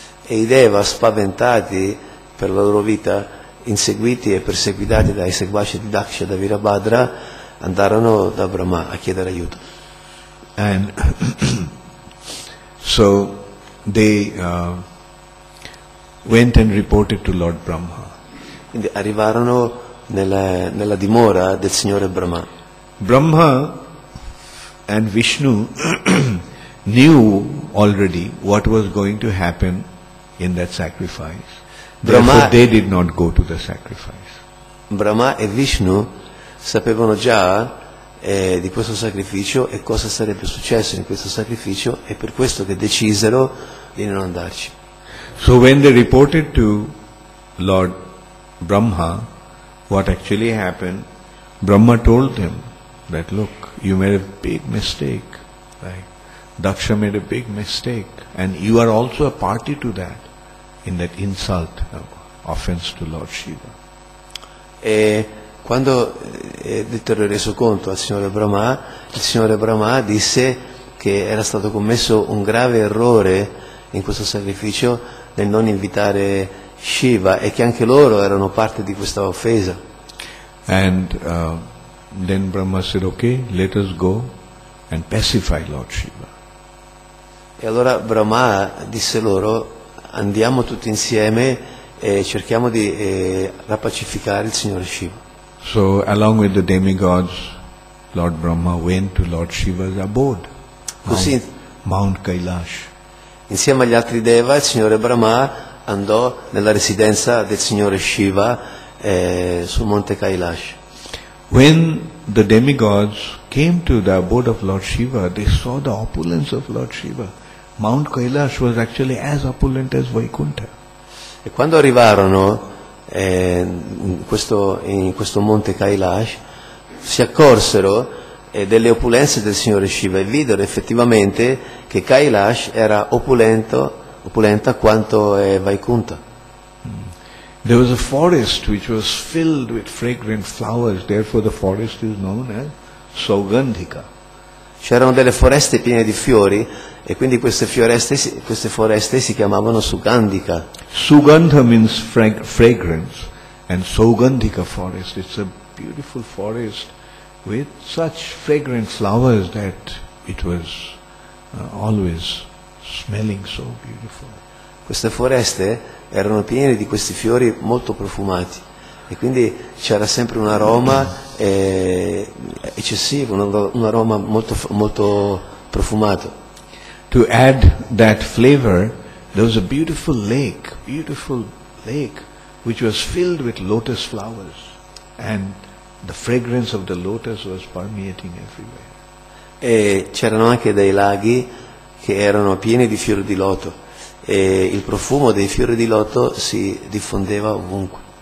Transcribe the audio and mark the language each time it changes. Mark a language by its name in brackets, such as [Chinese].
[Italian] E i deva, spaventati per la loro vita, inseguiti e perseguitati dai seguaci di Daksha e da Virabhadra, andarono da Brahma a chiedere aiuto. [English] And so they went and reported to Lord Brahma. [Italian] Quindi arrivarono nella dimora del signore Brahma. [English] Brahma and Vishnu knew already what was going to happen in that sacrifice. Brahma, therefore they did not go to the sacrifice. [Italian] Brahma e Vishnu sapevano già di questo sacrificio e cosa sarebbe successo in questo sacrificio, e per questo che decisero di non andarci. [English] So when they reported to Lord Brahma what actually happened, Brahma told them that look, you made a big mistake, right? Daksha made a big mistake, and you are also a party to that. In that insult, offense to Lord Shiva. [Italian] E quando Vittorio è reso conto al signore Brahma, il signore Brahma disse che era stato commesso un grave errore in questo sacrificio nel non invitare Shiva, e che anche loro erano parte di questa offesa. [English] And then Brahma said, okay, let us go and pacify Lord Shiva. [Italian] E allora Brahma disse loro, andiamo tutti insieme e cerchiamo di rapacificare il signore Shiva. [English] So along with the demigods, Lord Brahma went to Lord Shiva's abode. [Italian] Così, [English] Mount Kailash. [Italian] Insieme agli altri deva, il signore Brahma andò nella residenza del signore Shiva sul monte Kailash. [English] When the demigods came to the abode of Lord Shiva, they saw the opulence of Lord Shiva. Mount Kailash was actually as opulent as Vaikuntha. [Italian] E quando arrivarono in questo monte Kailash, si accorsero e delle opulenze del Signore Shiva, e videro effettivamente che Kailash era opulenta quanto è Vaikunta. [English] There was a forest which was filled with fragrant flowers, therefore the forest is known as Saugandhika. [Italian] C'erano delle foreste piene di fiori e quindi queste foreste si chiamavano Sugandhika. [English] Sugandha means fragrance and Saugandhika forest, it's a beautiful forest with such fragrant flowers that it was always smelling so beautiful. [Italian] Queste foreste erano piene di questi fiori molto profumati e quindi c'era sempre un aroma eccessivo, un aroma molto, molto profumato. [English] To add that flavor, there was a beautiful lake, which was filled with lotus flowers, and the fragrance of the lotus was permeating everywhere. [Italian] E c'erano anche dei laghi che erano pieni di fiori di loto, e il profumo dei fiori di loto si diffondeva ovunque.